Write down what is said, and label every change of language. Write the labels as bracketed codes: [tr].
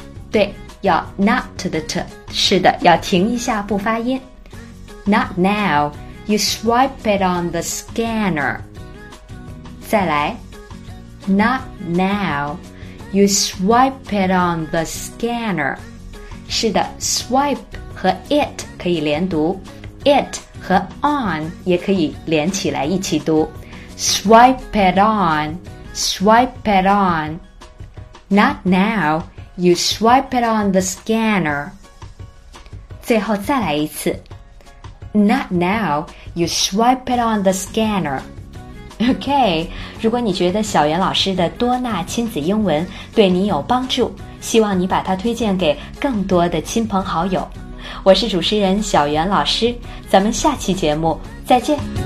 [zh] 对，要 not 的 t, 是的，要停一下不发音。 [en] Not now, you swipe it on the scanner. [zh] 再来。 [en] Not now, you swipe it on the scanner. [zh] 是的， swipe 和 it 可以连读， it 和 on 也可以连起来一起读。 [en] Swipe it on, swipe it on. Not now, you swipe it on the scanner. [zh] 最后再来一次。 [en] Not now, you swipe it on the scanner. [zh] OK, 如果你觉得小袁老师的多纳亲子英文对你有帮助，希望你把它推荐给更多的亲朋好友。我是主持人小袁老师，咱们下期节目再见。